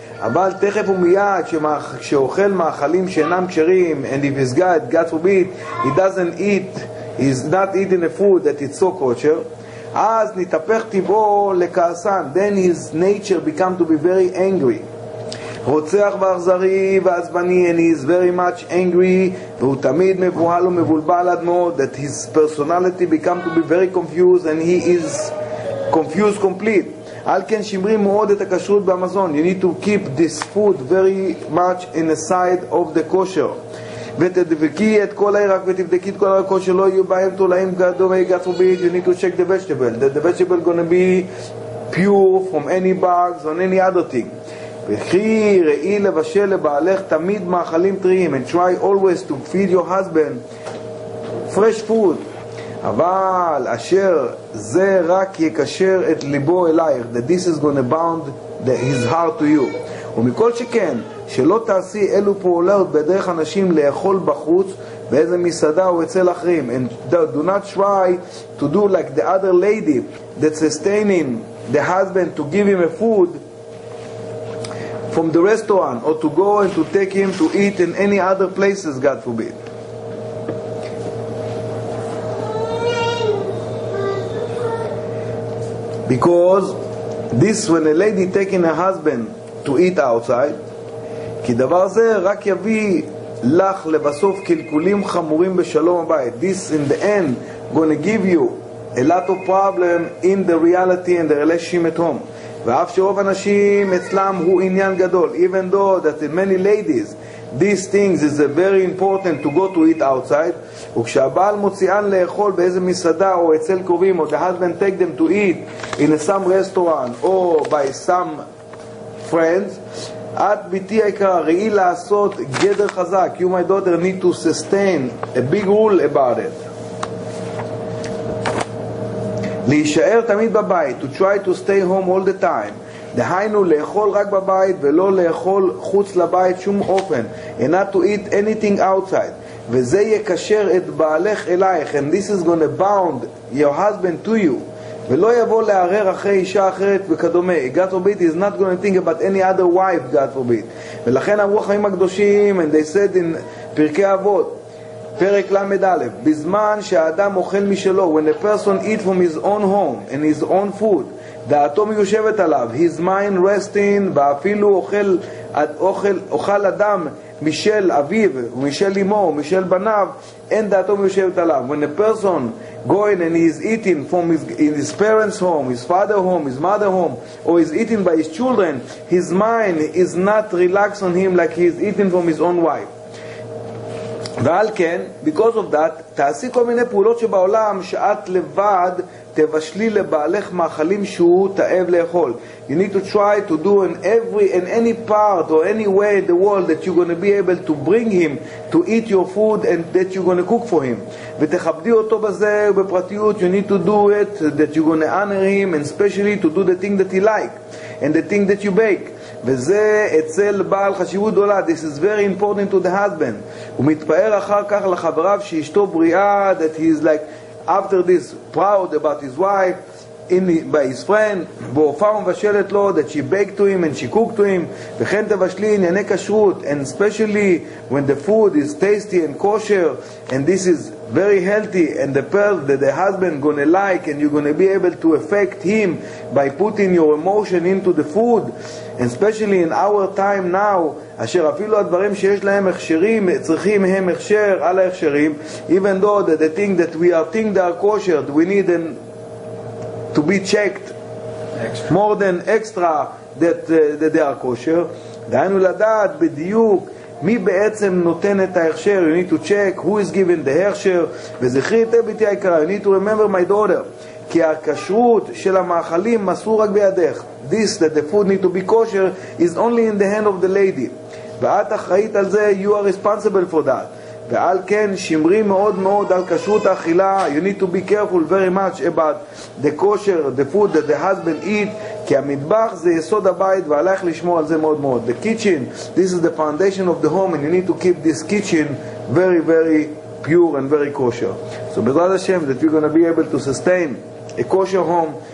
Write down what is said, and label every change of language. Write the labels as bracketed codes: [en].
[he] אבל תכף ומיד שאוכל מאכלים שאינם כשרים, [en] and if his God, God forbid, he doesn't eat, he's not eating a food that it's so kosher, [he] אז נתהפך טבעו לכעסן, [en] then his nature become to be very angry, [he] רוצח ואכזרי ועזבני, [en] and he is very much angry, [he] והוא תמיד מבוהל ומבולבל עד מאוד, [en] that his personality become to be very confused, and he is confused complete. [he] על כן שמרים מאוד את הכשרות באמזון. [en] You need to keep this food very much in the side of the kosher. [he] ותדבקי את כל הירק ותבדקי את כל הירקות שלא יהיו בהם תולעים גדומי גפובית. [en] You need to check the vegetable. That the vegetable gonna be pure from any bugs or any other thing. [he] וכי ראי לבשל לבעלך תמיד מאכלים טריים. [en] And try always to feed your husband fresh food. [he] אבל אשר זה רק יקשר את ליבו אלייך, [en] that this is going to bound his heart to you. [he] ומכל שכן, שלא תעשי אלו פעולות בדרך אנשים לאכול בחוץ, באיזה מסעדה או אצל אחרים. [en] And do not try to do like the other lady that sustaining the husband to give him a food from the restaurant, or to go and to take him to eat in any other places, God forbid. Because this, when a lady taking her husband to eat outside, [he] כי דבר זה רק יביא לך לבסוף קלקולים חמורים בשלום הבית. [en] This in the end gonna give you a lot of problem in the reality and the relationship at home. [he] ואף שרוב אנשים אצלם הוא עניין גדול. [en] Even though that in many ladies these things is very important to go to eat outside, [he] וכשהבעל מוציאן לאכול באיזה מסעדה או אצל קרובים, [en] or the husband take them to eat in some restaurant or by some friends, [he] את ביתי היקרה ראי לעשות גדר חזק. [en] You my daughter need to sustain a big rule about it, [he] להישאר תמיד בבית, [en] to try to stay home all the time, [he] דהיינו לאכול רק בבית ולא לאכול חוץ לבית שום אופן, [en] and not to eat anything outside. [he] וזה יקשר את בעלך אלייך, [en] and this is going to bound your husband to you, [he] ולא יבוא לערר אחרי אישה אחרת וכדומה. [en] God forbid is not going to think about any other wife, God forbid. [he] ולכן אמרו החיים הקדושים, [en] and they said in [he] פרקי אבות, פרק למד א', בזמן שהאדם אוכל משלו, [en] when a person eat from his own home and his own food, [he] דעתו מיושבת עליו, [en] his mind resting, [he] ואפילו אוכל אדם משל אביו, משל אמו, משל בניו, אין דעתו מיושבת עליו. [en] When a person going and he is eating from his parents' home, his father's home, his mother's home, or is eating by his children, his mind is not relaxed on him like he is eating from his own wife. [he] ועל כן, [en] because of that, [he] תעשי כל מיני פעולות שבעולם שאת לבד תבשלי לבעלך מאכלים שהוא תאב לאכול. [en] You need to try to do in any part or any way in the world that you're going to be able to bring him to eat your food and that you're going to cook for him. [he] ותכבדי אותו בזה ובפרטיות. [en] You need to do it that you're going to honor him, and especially to do the thing that he likes. and the thing that you bake. [he] וזה אצל בעל חשיבות גדולה. [en] This is very important to the husband. [he] הוא מתפאר אחר כך לחבריו שאשתו בריאה, [en] that he is like after this proud about his wife, in by his friend, [he] בהופעה ומבשלת לו, [en] that she baked to him and she cooked to him, [he] וכן תבשלי ענייני כשרות, [en] and especially when the food is tasty and kosher, and this is very healthy, and the pearl that the husband gonna like, and you're gonna be able to affect him by putting your emotion into the food, and especially in our time now, [he] אשר אפילו הדברים שיש להם הכשרים, צריכים הם הכשר על ההכשרים, [en] even though that the thing that we are think they are kosher, we need an to be checked extra. More than extra that that they are kosher. [he] דהיינו לדעת בדיוק מי בעצם נותן את ההכשר. [en] You need to check who is given the הכשר. [he] וזכרי את הביתי היקרה, [en] you need to remember my daughter, [he] כי הכשרות של המאכלים מסור רק בידך. [en] This that the food need to be kosher is only in the hand of the lady, [he] ואת אחראית על זה. [en] You are responsible for that. [he] ועל כן שמרי מאוד מאוד על כשרות האכילה. [en] You need to be careful very much about the kosher, the food that the husband eat, [he] כי המטבח זה יסוד הבית והלך לשמור על זה מאוד מאוד. [en] The kitchen, this is the foundation of the home, and you need to keep this kitchen very very pure and very kosher. So [he] בעזרת השם, [en] that you're going to be able to sustain a kosher home.